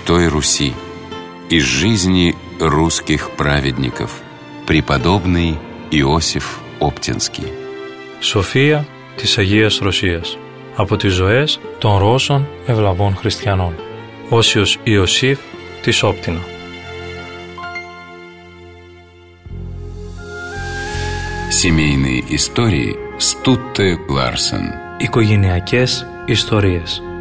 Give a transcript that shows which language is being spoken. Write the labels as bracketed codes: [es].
[ru] Из жизни русских праведников преподобный Иосиф Оптинский. [el] София της Αγίας Ρωσίας. Από τις ζωές των Ρώσων ευλαβών χριστιανών. Όσιος Ιωσήφ της Όπτινα. [ru] Семейные истории Стутте Ларсен. [el] Οικογενειακές ιστορίες.